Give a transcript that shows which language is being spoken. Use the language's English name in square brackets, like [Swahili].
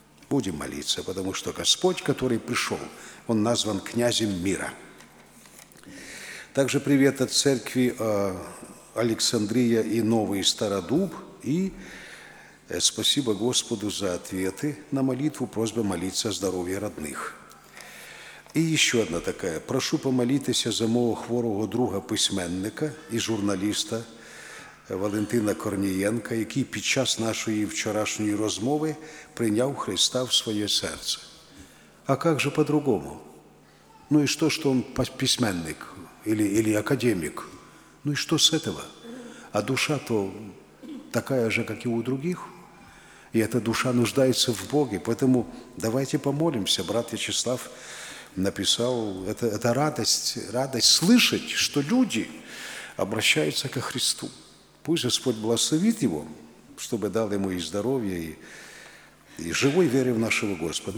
[Russian] Будем молиться, потому что Господь, который пришел, Он назван князем мира. Также привет от церкви Александрия и Новый Стародуб. И спасибо Господу за ответы на молитву, просьба молиться о здоровье родных. И еще одна такая. [Ukrainian] Прошу помолитися за мого хворого друга письменника и журналиста Валентина Корнієнка, який під час нашої вчорашньої розмови прийняв Христа в своє серце. [Russian] А как же по-другому? [Ukrainian] Ну і що, що він письменник или академік? Ну і що з цього? А душа то така же, як і у других? [Russian] И эта душа нуждается в Боге. Поэтому давайте помолимся. Брат Вячеслав написал, это радость слышать, что люди обращаются ко Христу. Пусть Господь благословит его, чтобы дал ему и здоровье, и живой веры в нашего Господа.